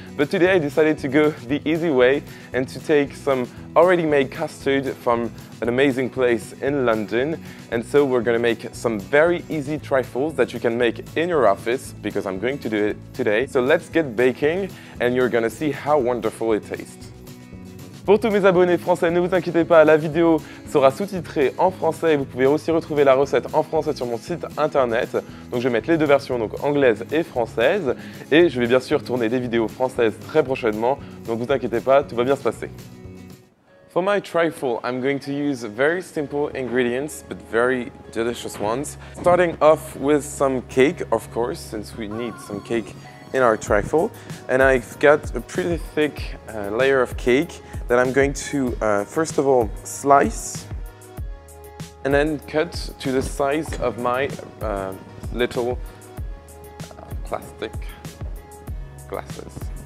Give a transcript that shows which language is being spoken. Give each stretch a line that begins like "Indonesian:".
English: But today I decided to go the easy way and to take some already made custard from an amazing place in London. And so we're gonna make some very easy trifles that you can make in your office because I'm going to do it today. So let's get baking and you're gonna see how wonderful it tastes.
French: Pour tous mes abonnés français, ne vous inquiétez pas, la vidéo sera sous-titrée en français et vous pouvez aussi retrouver la recette en français sur mon site internet. Donc je vais mettre les deux versions, donc anglaise et française. Et je vais bien sûr tourner des vidéos françaises très prochainement. Donc vous inquiétez pas, tout va bien se passer.
English: For my trifle, I'm going to use very simple ingredients, but very delicious ones. Starting off with some cake, of course, since we need some cake in our trifle. And I've got a pretty thick layer of cake that I'm going to, first of all, slice and then cut to the size of my little plastic glasses.